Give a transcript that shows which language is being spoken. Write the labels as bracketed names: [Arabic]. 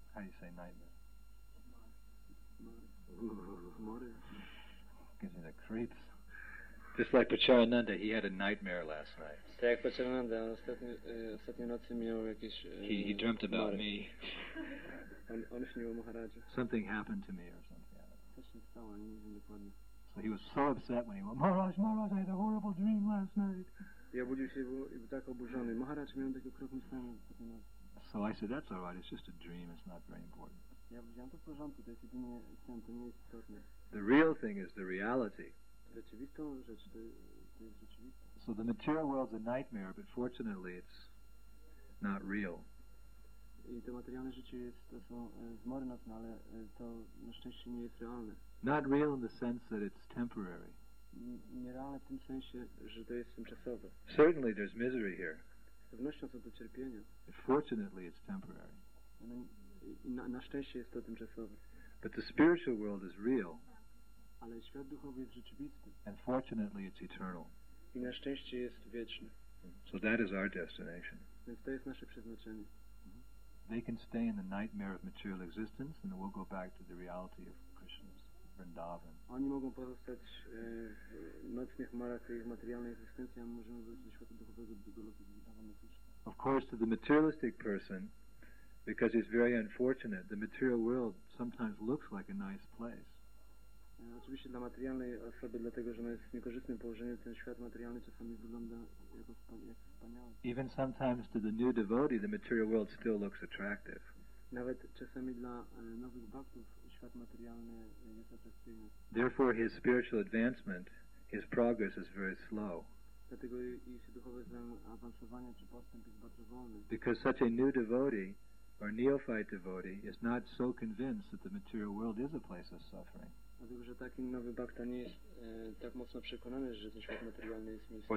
[English] How do you say nightmare? [Polish] Mory. [English] Gives me the creeps. Just like Pacharananda, he had a nightmare last night. [Polish] Tak jak Pacharananda, ostatnią nocy miał jakieś... [English] He dreamt about me. [Polish] On śnił o Maharadzie. [English] Something happened to me or something. [Polish] Coś się stało, nie wiem dokładnie. [English] So he was so upset when he went, Maharaj, I had a horrible dream last night. [Polish] Ja budził się i był tak oburzony. Maharaj miał taki okropny sen. [English] So I said, that's all right, it's just a dream, it's not very important. [Polish] Ja powiedziałem, to w porządku, to jest jedynie sen, to nie jest istotne. [English] The real thing is the reality. [Polish] Rzeczywistą rzecz, to jest rzeczywiste. [English] So the material world's a nightmare, but fortunately it's not real. [Polish] I to materialne życie jest, to są zmory nocne, ale to na szczęście nie jest realne. [English] Not real in the sense that it's temporary. [Polish] Nierealne w tym sensie, że to jest tymczasowe. [English] Certainly there's misery here. [Polish] Z pewnością są to cierpienia. [English] Fortunately it's temporary. [Polish] Na szczęście jest to tymczasowe. [English] But the spiritual world is real. [Polish] Ale świat duchowy jest rzeczywisty. [English] And fortunately it's eternal. [Polish] I na szczęście jest wieczny. [English] So that is our destination. [Polish] Więc to jest nasze przeznaczenie. [English] they can stay in the nightmare of material existence and then we'll go back to the reality of Krishna's Vrindavan. [Polish] Oni mogą pozostać w nocnych marach tej materialnej egzystencji, a my możemy wrócić do świata duchowego, do tego lotu Vrindavana Krishna. [English] Of course, to the materialistic person, because he's very unfortunate, the material world sometimes looks like a nice place. [Polish] Oczywiście dla materialnej osoby, dlatego że ona jest w niekorzystnym położeniu, ten świat materialny czasami wygląda jako wspaniały. [English] Even sometimes to the new devotee, the material world still looks attractive. [Polish] Nawet czasami dla nowych bhaktów świat materialny jest atrakcyjny. [English] Therefore his spiritual advancement, his progress is very slow. [Polish] Dlatego jeśli duchowe zaawansowanie czy postęp jest bardzo wolny. [English] Because such a new devotee or neophyte devotee is not so convinced that the material world is a place of suffering. [Polish] Dlatego, że taki nowy bhakta nie jest tak mocno przekonany, że ten świat materialny jest miejscem.